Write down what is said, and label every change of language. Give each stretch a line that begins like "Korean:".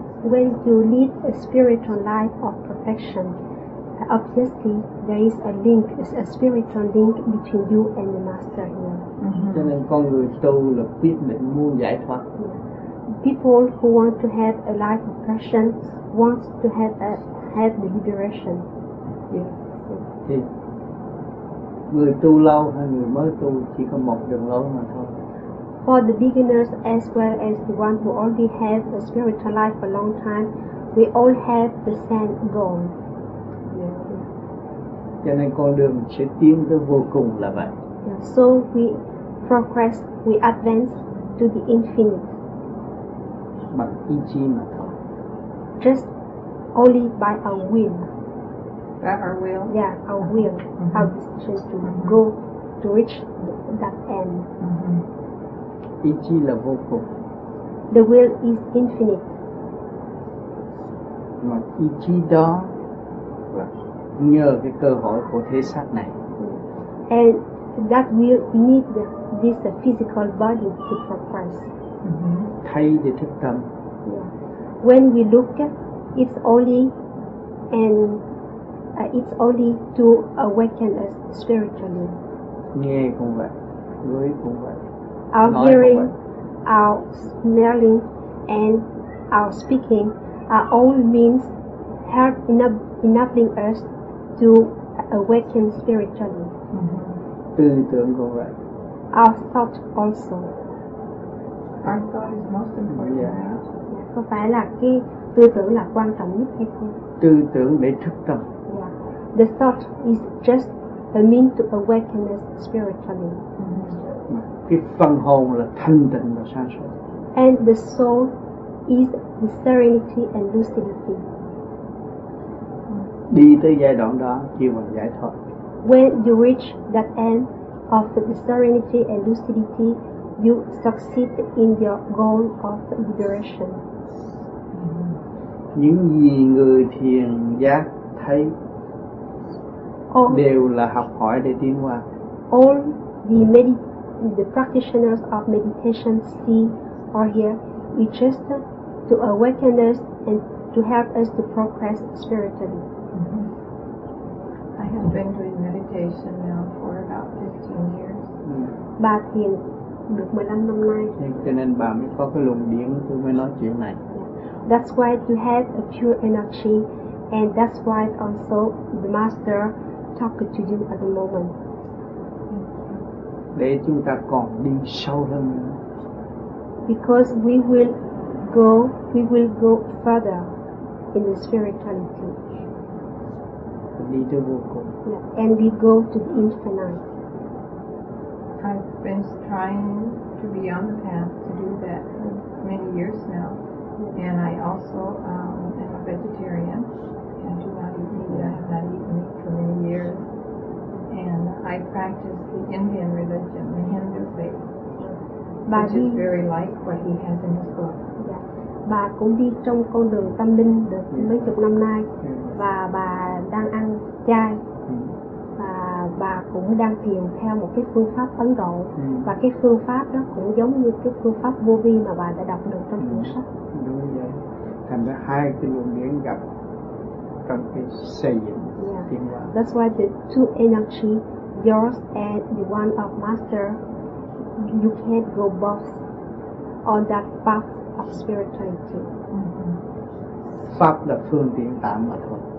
English: When you lead a spiritual life of perfection, obviously there is a link, it's a spiritual link between you and the master here.
Vietnamese: Cho nên con người tu là quyết định muốn giải thoát.
English: People who want to have a life of perfection wants to have the liberation. Yeah.
Vietnamese: Người tu lâu hay người mới tu chỉ có một đường lối mà thôi.
English: For the beginners as well as the one who already have a spiritual life for a long time, we all have the same goal.
Vietnamese: Cho nên con đường sẽ tiến tới vô cùng là vậy.
English: So we progress, we advance to the infinite.
Vietnamese: Bằng ý chí mà thôi.
English: Just only by our will. Yeah, our will. Our decision to go to reach that end.
Vietnamese: Ý chí là vô cùng.
English: The will is infinite.
Vietnamese: Mà ý chí đó là nhờ cái cơ hội của thế xác này.
English: And that we need this physical body to practice.
Vietnamese: Thay để thức tâm.
English: Yeah. When we look, it's only to awaken us spiritually.
Vietnamese: Nghe cũng vậy, ngửi cũng vậy.
English: Our hearing, our smelling, and our speaking are all means help enabling us to awaken spiritually.
Vietnamese: Tư tưởng cũng vậy.
English: Our thought also. Our thought is most important.
Vietnamese: Có phải là cái tư tưởng là quan trọng nhất hay không? Tư tưởng để thức tâm.
English: The thought is just a means to awaken us spiritually.
Vietnamese: Cái phần hồn là thanh tịnh và sáng suốt.
English: And the soul is the serenity and lucidity.
Vietnamese: Đi tới giai đoạn đó, kêu bằng giải thoát.
English: When you reach that end of the serenity and lucidity, you succeed in your goal of liberation.
Vietnamese: Những gì người thiền giác thấy đều là học hỏi để tiến qua.
English: All the the practitioners of meditation see or hear is just to awaken us and to help us to progress spiritually. I have been doing meditation now for about 15 years.
Vietnamese: Bà thiền được 15 năm nay. Cho nên bà mới có cái luồng điển tôi mới nói chuyện này.
English: That's why you have a pure energy, and that's why also the master talk to you at the moment.
Vietnamese: Để chúng ta còn đi sâu hơn.
English: Because we will go further in the spirituality.
Vietnamese: Đi tới vô cùng.
English: And we go to the infinite. I've been trying to be on the path to do that for many years now, and I also am a vegetarian and do not eat meat. I have not eaten meat for many years. And I practice the Indian religion, the Hindu faith, which is very like what he has in his book.
Vietnamese: Bà cũng đi trong con đường tâm linh được mấy chục năm nay, và bà đang ăn chay, và bà cũng đang thiền theo một cái phương pháp Ấn Độ, và cái phương pháp đó cũng giống như cái phương pháp vô vi mà bà đã đọc được trong cuốn sách. Đúng vậy, thành ra hai cái luồng điển gặp trong cái xây dựng tiến hóa.
English: That's why the two energy, yours and the one of master, you can't go both on that path of spirituality.
Vietnamese: Pháp là phương tiện tạm mà thôi.